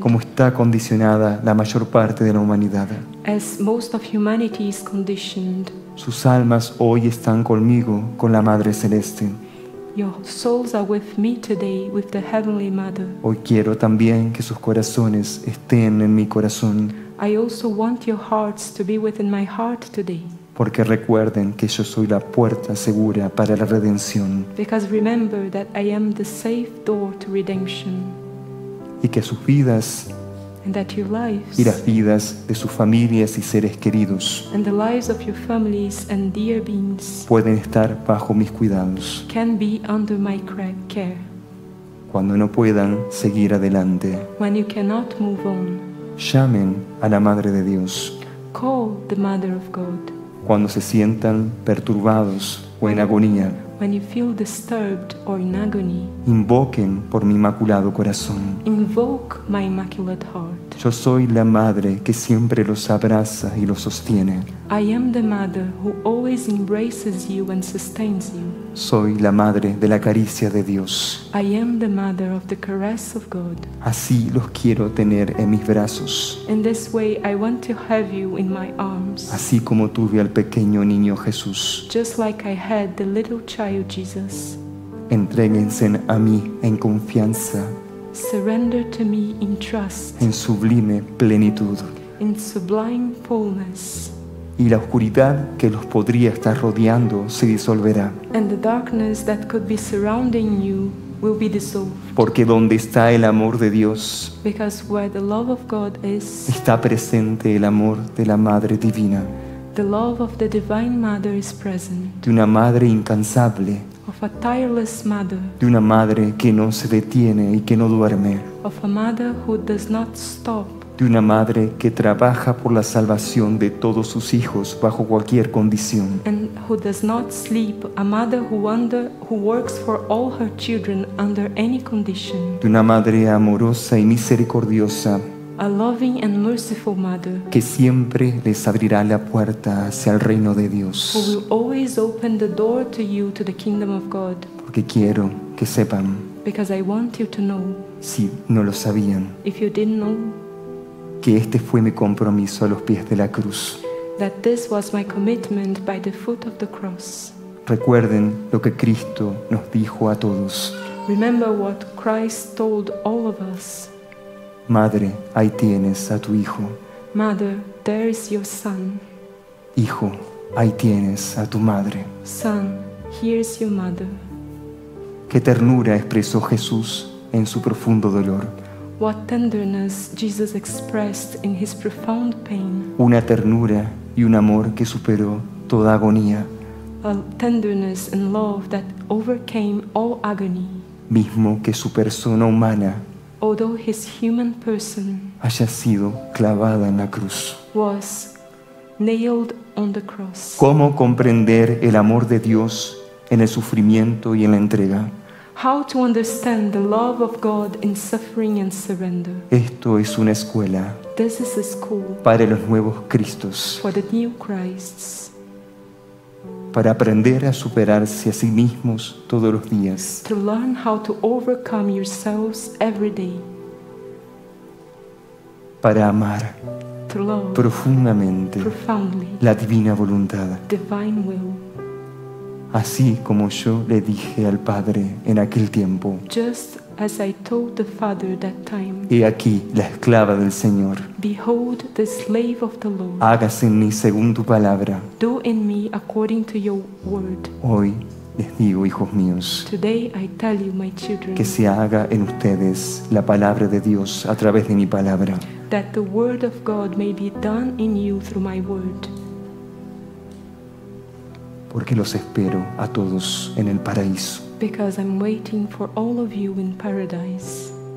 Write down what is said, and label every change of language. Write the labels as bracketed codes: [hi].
[es] como está condicionada la mayor parte de la humanidad. [en] As most of humanity is conditioned. [es] Sus almas hoy están conmigo, con la Madre Celeste. [en] Your souls are with me today, with the Heavenly Mother. [es] Hoy quiero también que sus corazones estén en mi corazón. [en] I also want your hearts to be within my heart today. [es] Porque recuerden que yo soy la puerta segura para la redención. [en] Because remember that I am the safe door to redemption. [es] Y que sus vidas, [en] and that your lives, [es] y las vidas de sus familias y seres queridos, [en] and the lives of your families and dear beings, [es] pueden estar bajo mis cuidados, [en] can be under my care. [es] Cuando no puedan seguir adelante, [en] when you cannot move on, [es] llamen a la Madre de Dios. [en] Call the Mother of God. [es] Cuando se sientan perturbados o en agonía, [en] when you feel disturbed or in agony, [es] invoquen por mi inmaculado corazón. [en] Invoke my immaculate heart. [es] Yo soy la madre que siempre los abraza y los sostiene. [en] I am the mother who always embraces you and sustains you. [es] Soy la madre de la caricia de Dios. [en] I am the mother of the caress of God. [es] Así los quiero tener en mis brazos. [en] In this way I want to have you in my arms. [es] Así como tuve al pequeño niño Jesús. [en] Just like I had the little child Jesus. [es] Entréguense a mí en confianza. [en] Surrender to me in trust. [es] En sublime plenitud. [en] In sublime fullness. [es] Y la oscuridad que los podría estar rodeando se disolverá. [en] And the darkness that could be surrounding you will be dissolved. [es] Porque donde está el amor de Dios, [en] because where the love of God is, [es] está presente el amor de la Madre Divina. [en] The love of the Divine Mother is present. [es] De una madre incansable. [en] Of a tireless mother. [es] De una madre que no se detiene y que no duerme. [en] Of a mother who does not stop. [es] De una madre que trabaja por la salvación de todos sus hijos bajo cualquier condición. [en] And who does not sleep, a mother who works for all her children under any condition. [es] De una madre amorosa y misericordiosa. [en] A loving and merciful mother. [es] Que siempre les abrirá la puerta hacia el reino de Dios. [en] Who will always open the door to you to the kingdom of God. [es] Porque quiero que sepan. [en] Because I want you to know. [es] Si no lo sabían. [en] If you didn't know. [es] Que este fue mi compromiso a los pies de la cruz. [en] That this was my commitment by the foot of the cross. [es] Recuerden lo que Cristo nos dijo a todos. [en] Remember what Christ told all of us. [es] Madre, ahí tienes a tu hijo. [en] Mother, there is your son. [es] Hijo, ahí tienes a tu madre. [en] Son, here is your mother. [es] Qué ternura expresó Jesús en su profundo dolor. [en] What tenderness Jesus expressed in his profound pain. [es] Una ternura y un amor que superó toda agonía. [en] A tenderness and love that overcame all agony. [es] Mismo que su persona humana, [en] although his human person, [es] haya sido clavada en la cruz, [en] was nailed on the cross. [es] ¿Cómo comprender el amor de Dios en el sufrimiento y en la entrega? [en] How to understand the love of God in suffering and surrender. [es] Esto es una escuela. [en] This is a school. [es] Para los nuevos Cristos. [en] For the new Christs. [es] Para aprender a superarse a sí mismos todos los días. [en] To learn how to overcome yourselves every day. [es] Para amar. [en] To love. [es] Profundamente. [en] Profoundly. [es] La divina voluntad. [en] Divine will. [es] Así como yo le dije al Padre en aquel tiempo. [en] Just as I told the Father that time. [es] He aquí la esclava del Señor. [en] Behold the slave of the Lord. [es] Hágase en mí según tu palabra. [en] Do in me according to your word. [es] Hoy les digo, hijos míos. [en] Today I tell you, my children. [es] Que se haga en ustedes la palabra de Dios a través de mi palabra. [en] That the word of God may be done in you through my word. [es] Porque los espero a todos en el paraíso. [en] Because I'm waiting for all of you in paradise.